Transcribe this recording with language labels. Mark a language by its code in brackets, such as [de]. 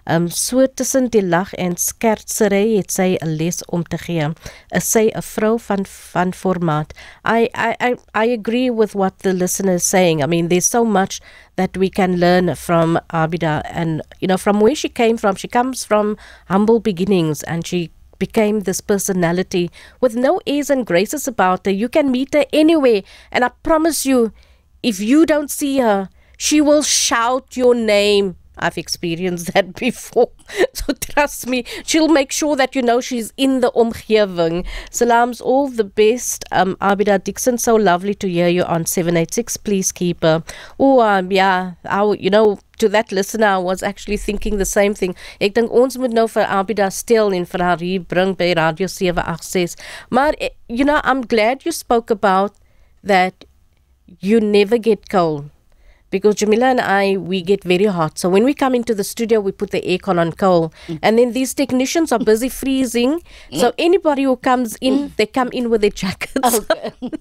[af] So tussen die lach en skertserie het sy een les om te gee. Is sy een vrou van formaat? [en] I agree with what the listener is saying. I mean, there's so much that we can learn from Abida, and you know, from where she came from. She comes from humble beginnings and she became this personality with no ease and graces about her. You can meet her anywhere, and I promise you, if you don't see her, she will shout your name. I've experienced that before. So trust me, she'll make sure that you know she's in the omgeving. Salams, all the best. Abidah Dixon, so lovely to hear you on 786. Please keep her. Oh, yeah. You know, to that listener, I was actually thinking the same thing. [af] Ek dink ons moet nou vir Abidah stil en vir haar hier bring by Radio 786. [en] Maar, you know, I'm glad you spoke about that you never get cold. Because Jamila and I, we get very hot. So when we come into the studio, we put the aircon on cold. And then these technicians are busy freezing. So anybody who comes in, they come in with their jackets. Okay.